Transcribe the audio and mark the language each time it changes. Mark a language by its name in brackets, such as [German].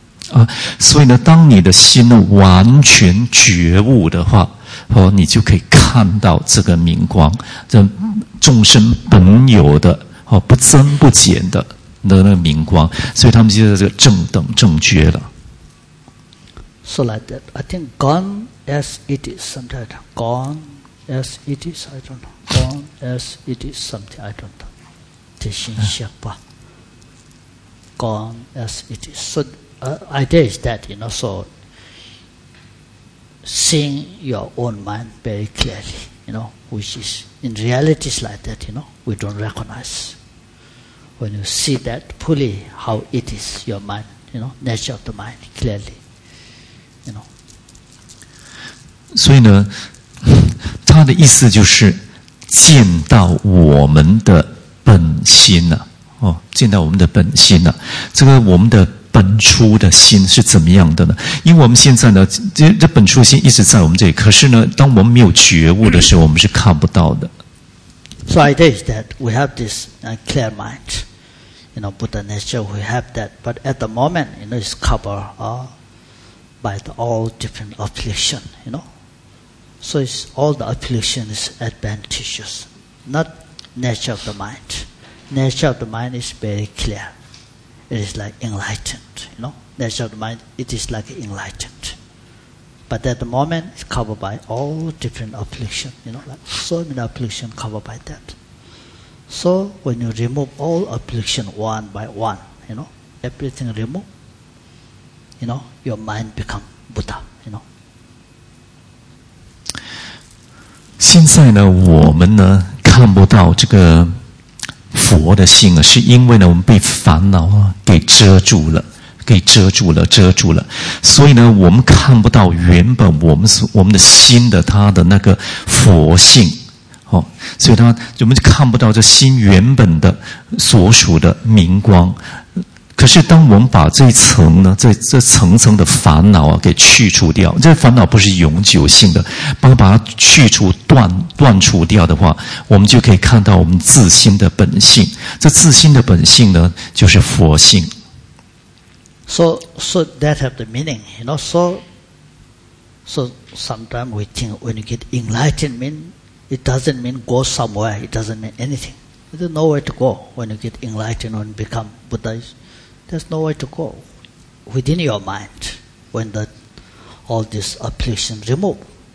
[Chinese] 啊，所以呢，当你的心呢完全觉悟的话，哦，你就可以看到这个明光，这众生本有的哦，不增不减的那个明光，所以他们就在这个正等正觉了。 [English] So like that, I think gone as it is, sometimes gone as it is, I don't know, gone as it is, something I don't know, [Chinese] 这信息吧 [English] ，gone as it is, so. Idea is that, you know, so seeing your own mind very clearly, you know, which is in reality is like that, you know, we don't recognize. When you see that fully how it is, your mind, you know, nature of the mind clearly, you know. [Chinese] 所以呢，他的意思就是见到我们的本心了、啊、哦，见到我们的本心了、啊，这个我们的。本初的心是怎么样的呢？因为我们现在呢，这本初心一直在我们这里。可是呢，当我们没有觉悟的时候，我们是看不到的。 [English] So idea is that we have this clear mind, you know, Buddha nature. We have that, but at the moment, you know, it's covered by the all different affliction. You know, so it's all the affliction is advantageous, not nature of the mind. Nature of the mind is very clear. It is like enlightened, you know. Nature of the mind, it is like enlightened. But at the moment, it's covered by all different affliction, you know. Like so many affliction covered by that. So when you remove all affliction one by one, you know, everything removed, you know, your mind become Buddha, you know. [Chinese] 现在呢，我们呢看不到这个。佛的心啊，是因为呢，我们被烦恼啊给遮住了，给遮住了，遮住了。所以呢，我们看不到原本我们的心的它的那个佛性，哦，所以它我们就看不到这心原本的所属的明光。可是，当我们把这一层呢，这层层的烦恼啊给去除掉，这烦恼不是永久性的，把它去除断除掉的话，我们就可以看到我们自心的本性。这自心的本性呢，就是佛性。 [English] So that have the meaning, you know. So sometimes we think when you get enlightened, it doesn't mean go somewhere. It doesn't mean anything. There's nowhere to go when you get enlightened and become Buddha. There's no way to go within your mind when all this affliction removed.